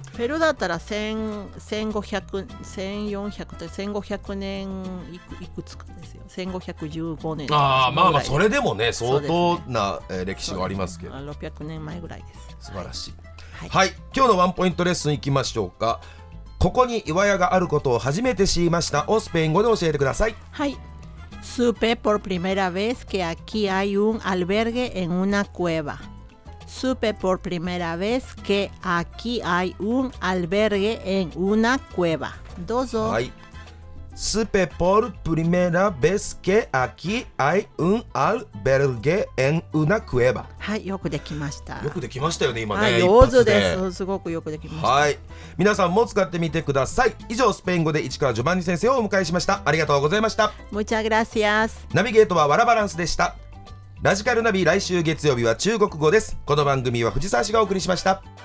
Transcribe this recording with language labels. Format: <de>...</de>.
<ja>ペルーだったら1500年いくつかですよ。 1515年。ああ、まあまあそれでもね、相当な歴史がありますけど、 600年前ぐらいです。素晴らしい。はい、はい、今日のワンポイントレッスンいきましょうか。ここに岩屋があることを初めて知りましたをスペイン語で教えてください。</ja> <es>はい、 supe por primera vez que aquí hay un albergue en una cueva。 supe por primera vez que aquí hay un albergue en una cueva。</es> <ja>どうぞ。</ja> <es>はい、 supe por primera vez que aquí hay un albergue en una cueva。</es> <ja>はい、よくできました。よくできましたよね、今ね、はい、上手です。すごくよくできました。はい、皆さんも使ってみてください。以上、スペイン語で市川ジョバンニ先生をお迎えしました。ありがとうございました。</ja> <es>Muchas gracias。</es> <ja>ナビゲートはワラバランスでした。ラジカルナビ、来週月曜日は中国語です。この番組は藤沢氏がお送りしました。</ja>